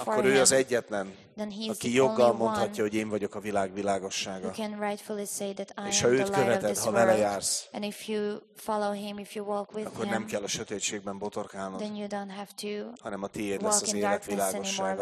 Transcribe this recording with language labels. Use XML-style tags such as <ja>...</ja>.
<hu>akkor ő az egyetlen, aki joggal mondhatja, hogy én vagyok a világ világossága. És ha őt követed, ha vele jársz,</hu> <en>if you follow him, if you walk with</en> <hu>akkor</hu> <en>him,</en> <hu>nem kell a sötétségben botorkálnod,</hu> <en>then you don't have to</en> <hu>hanem a tiéd lesz az élet világossága.</hu>